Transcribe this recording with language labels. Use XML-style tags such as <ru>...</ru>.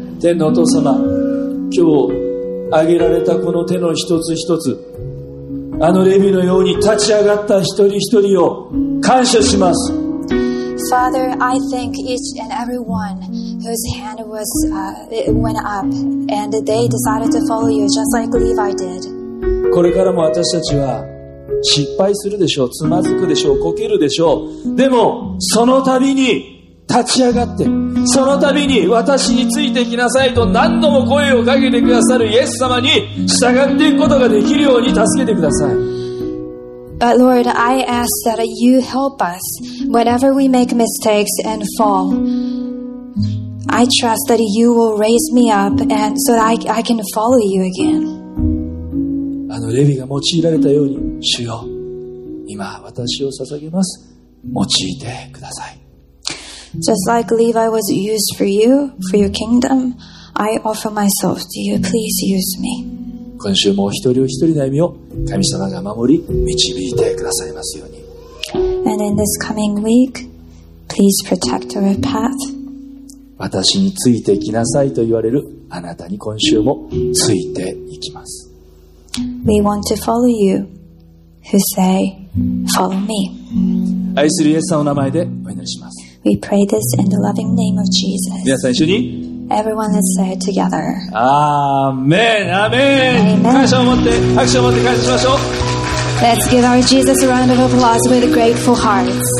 <ja>天のお父様、今日挙げられたこの手の一つ一つ、あのレビのように立ち上がった一人一人を感謝します。</ja> <en>Father, I thank each and everyone whose hand was, went up and they decided to follow you just like Levi did.</en> <ja>これからも私たちは失敗するでしょう、つまずくでしょう、こけるでしょう。でも、その度に立ち上がって、その度に私についてきなさいと何度も声をかけてくださるイエス様に従っていくことができるように助けてください。</ja> <en>But Lord, I ask that you help us whenever we make mistakes and fall. I trust that you will raise me up and so that I can follow you again.</en> <ja>あのレビが用いられたように、主よ、今私を捧げます。用いてください。</ja> <en>Just like Levi was used for you, for your kingdom, I offer myself to you. Please use me.</en> <ja>今週も一人お一人の歩みを神様が守り導いてくださいますように。</ja> <en>And in this coming week, please protect our path.</en> <ja>私についてきなさいと言われるあなたに今週もついていきます。</ja> <en>We want to follow you who say, follow me.</en> <ja>愛するイエス様の名前でお祈りします。</ja> <en>We pray this in the loving name of Jesus.</en> <ja>皆さん一緒に。</ja> <en>Everyone, let's say it together. Amen. Amen. Amen.</en> <ja>感謝を持って、拍手を持って感謝しましょう。</ja> <en>Let's give our Jesus a round of applause with grateful hearts.</en>